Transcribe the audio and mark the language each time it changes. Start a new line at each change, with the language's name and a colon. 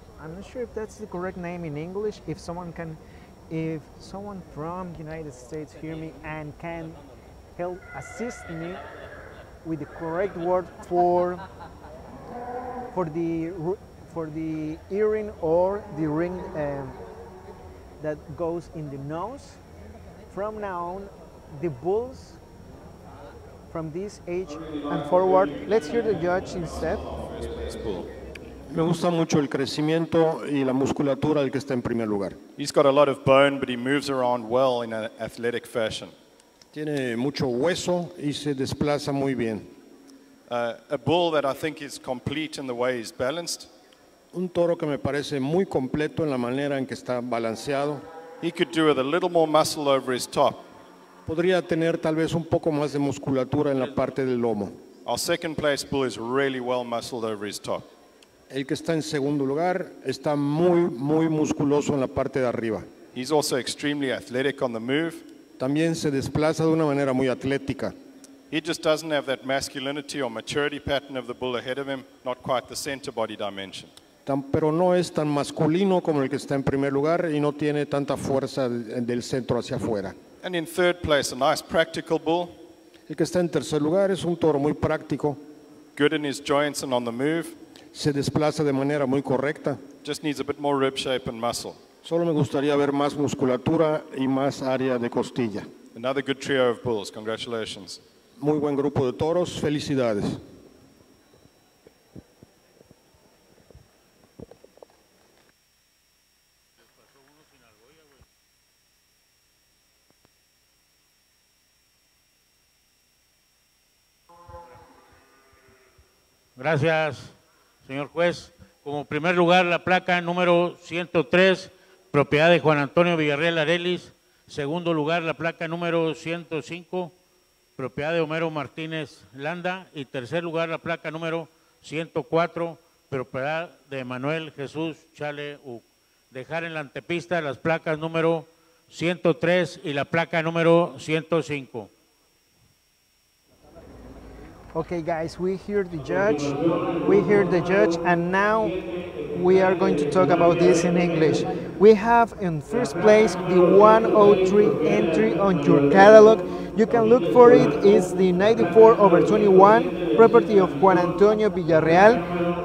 English: I'm not sure if that's the correct name in English. If someone from the United States hear me and can help assist me with the correct word for the earring or the ring that goes in the nose. From now on, the bulls from this age and forward. Let's hear the judge instead.
Spanish: Me gusta mucho el crecimiento y la musculatura del que está en primer lugar.
English: He's got a lot of bone, but he moves around well in an athletic fashion.
Spanish: Tiene mucho hueso y se desplaza muy bien.
English: A bull that I think is complete in the way he's balanced.
Spanish: Un toro que me parece muy completo en la manera en que está balanceado.
English: He could do with a little more muscle over his top.
Spanish: Podría tener tal vez un poco más de musculatura en la parte del lomo.
English: Our second place bull is really well muscled over his top.
Spanish: El que está en segundo lugar está muy, muy musculoso en la parte de arriba.
English: He's also extremely athletic on the move.
Spanish: También se desplaza de una manera muy atlética.
English: He just doesn't have that masculinity or maturity pattern of the bull ahead of him, not quite the center body dimension.
Spanish: Pero no es tan masculino como el que está en primer lugar y no tiene tanta fuerza del centro hacia afuera.
English: And in third place, a nice practical bull.
Spanish: El que está en tercer lugar es un toro muy práctico.
English: Good in his joints and on the move.
Spanish: Se desplaza de manera muy correcta.
English: Just needs a bit more rib shape and muscle.
Spanish: Solo me gustaría ver más musculatura y más área de costilla.
English: Another good trio of bulls. Congratulations.
Spanish: Muy buen grupo de toros. Felicidades. Gracias, señor juez. Como primer lugar, la placa número 103, propiedad de Juan Antonio Villarreal Arelis. Segundo lugar, la placa número 105, propiedad de Homero Martínez Landa. Y tercer lugar, la placa número 104, propiedad de Manuel Jesús Chale U. Dejar en la antepista las placas número 103 y la placa número 105.
English: Okay, guys, we hear the judge. We hear the judge, and now we are going to talk about this in English. We have in first place the 103 entry on your catalog. You can look for it. It's the 94/21, property of Juan Antonio Villarreal.